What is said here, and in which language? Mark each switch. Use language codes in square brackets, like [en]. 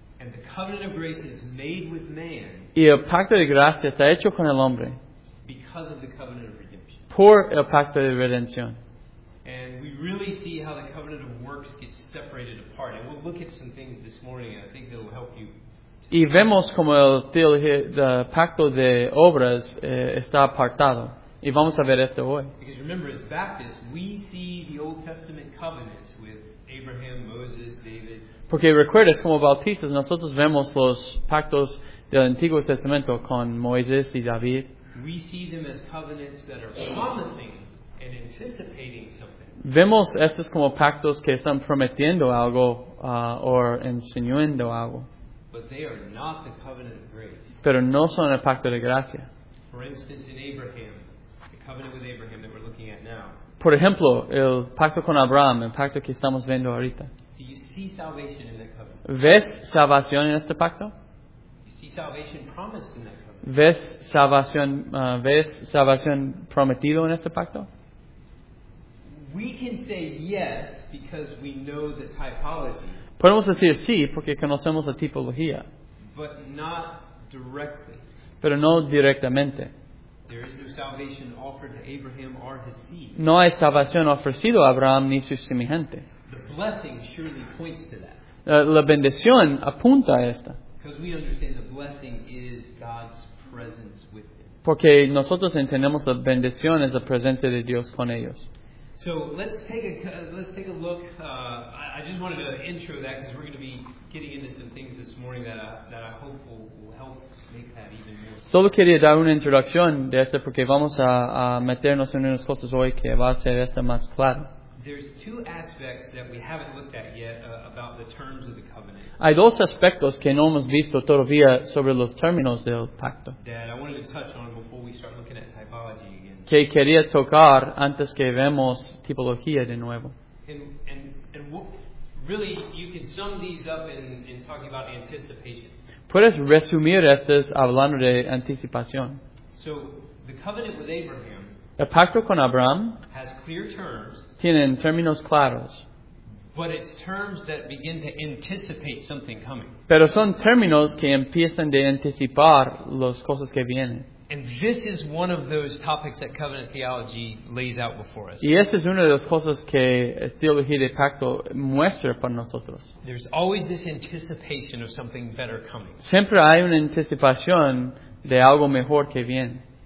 [en] And the covenant of grace is made with man, [es] y el pacto de gracia está hecho con el hombre [en] because of the covenant of redemption. [es] Por el pacto de redención. [en] And we really see how the covenant of works gets separated apart. And we'll look at some things this morning, and I think it'll help you. [es] Y vemos como el pacto de obras está apartado. Y vamos a ver esto hoy. [en] Because remember, as Baptists, we see the Old Testament covenants with Abraham, Moses, David. [es] Porque recuerdas, como bautistas, nosotros vemos los pactos del Antiguo Testamento con Moisés y David. [en] We see them as covenants that are promising. And anticipating something. [es] Vemos estos como pactos que están prometiendo algo o enseñando algo. [en] But they are not the covenant of grace. [es] Pero no son el pacto de gracia. [en] For instance, in Abraham, the covenant with Abraham that we're looking at now. [es] Por ejemplo, el pacto con Abraham, el pacto que estamos viendo ahorita. [en] Do you see salvation in that covenant? [es] ¿Ves salvación en este pacto? [en] You see salvation promised in that covenant. [es] ¿Ves salvación prometido en este pacto? [en] We can say yes because we know the typology. [es] Podemos decir sí porque conocemos la tipología. [en] But not directly. [es] Pero no directamente. [en] There is no salvation offered to Abraham or his seed. [es] No hay salvación ofrecido a Abraham ni su semejante. [en] The blessing surely points to that. [es] La bendición apunta a esta. [en] Because we understand the blessing is God's presence with them. [es] Porque nosotros entendemos la bendición es la presencia de Dios con ellos. [en] So let's take a look. I just wanted to intro that because we're going to be getting into some things this morning that I hope will help make that even more. [es] Solo quería dar una introducción de esto porque vamos a meternos en unas cosas hoy que va a hacer esto más claro. [en] There's two aspects that we haven't looked at yet about the terms of the covenant. [es] Hay dos aspectos que no hemos visto todavía sobre los términos del pacto. [en] That I wanted to touch on before we start looking at typology again. [es] Que quería tocar antes que vemos tipología de nuevo. [en] And really, you can sum these up in talking about anticipation. [es] Puedes resumir estas hablando de anticipación. [en] So, the covenant with Abraham. [es] El pacto con Abraham. [en] Has clear terms. [es] Tienen términos claros. [en] But it's terms that begin to anticipate something coming. [es] Pero son términos que empiezan de anticipar las cosas que vienen. [en] And this is one of those topics that covenant theology lays out before us. [es] Y esta es una de las cosas que teología de pacto muestra para nosotros. [en] There's always this anticipation of something better coming. [es] Siempre hay una anticipación de algo mejor que viene.